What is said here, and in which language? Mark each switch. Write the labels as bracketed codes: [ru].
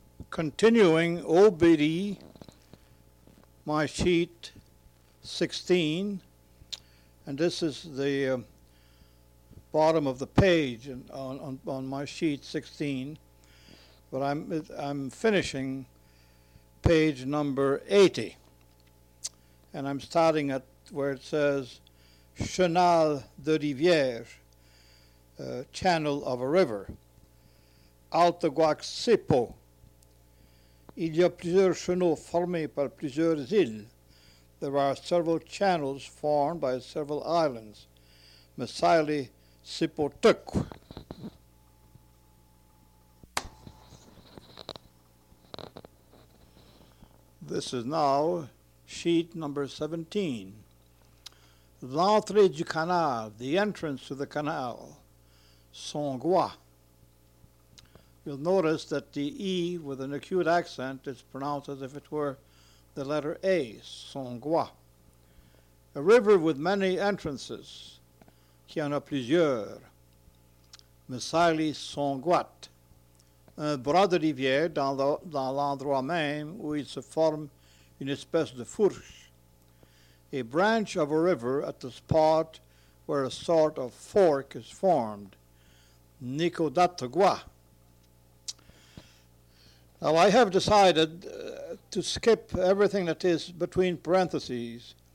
[en] continuing OBD, my sheet 16, and this is the bottom of the page on my sheet 16, but I'm finishing page number 80, and I'm starting at where it says Chenal de Rivière, channel of a river. Alto Guaxipo. [fr] Il y a plusieurs chenaux formés par plusieurs îles. [en] There are several channels formed by several islands. Mesaili Sipotuk. This is now sheet number 17. [fr] L'entrée du canal, [en] the entrance to the canal, Songois. You'll notice that the E with an acute accent is pronounced as if it were the letter A, Songois. A river with many entrances, [fr] qui en a plusieurs, [en] Mesaili Songuat. [fr] Un bras de rivière dans l'endroit même où il se forme une espèce de fourche. [en] A branch of a river at the spot where a sort of fork is formed. Nicodatagua. Now I have decided to skip everything that is between parentheses.